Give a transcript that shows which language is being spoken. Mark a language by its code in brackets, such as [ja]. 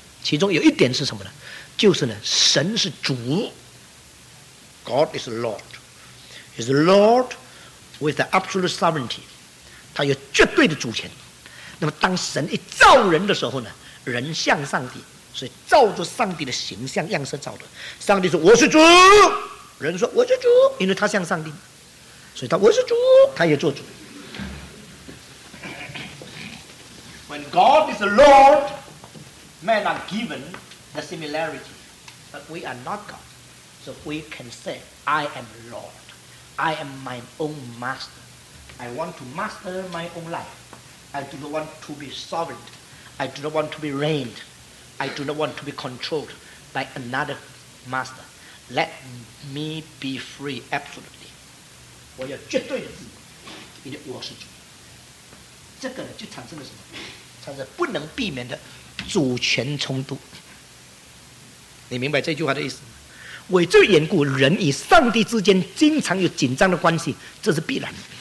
[zh] 其中有一点是什么呢？就是呢，神是主， [en] God is Lord， is Lord with the absolute sovereignty， [zh] 他有绝对的主权。那么当神一造人的时候呢，人像上帝，所以照着上帝的形象样式造的。上帝说我是主，人说我是主，因为他像上帝，所以他我是主，他也做主。 [en] When God is the Lord, men are given the similarity, but we are not God, so we can say I am Lord, I am my own master, I want to master my own life, I do not want to be sovereign, I do not want to be reigned, I do not want to be controlled by another master, let me be free absolutely. [zh] 我要绝对的自由，因为我是主。这个呢，就产生了什么？产生不能避免的主权冲突。你明白这句话的意思吗？为这缘故，人与上帝之间经常有紧张的关系，这是必然的。